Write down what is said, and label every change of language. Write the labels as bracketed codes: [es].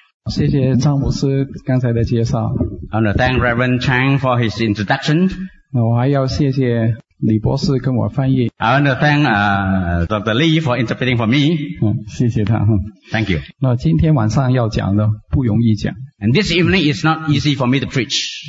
[zh] 谢谢张牧师刚才的介绍。 [en] I want to thank Reverend Chang for his introduction. [zh] 我还要谢谢李博士跟我翻译。 [en] I want to thank Dr. Lee for interpreting for me. [zh] 谢谢他。 [en] Thank you. [zh] 那今天晚上要讲的不容易讲。 [en] And this evening is not easy for me to preach.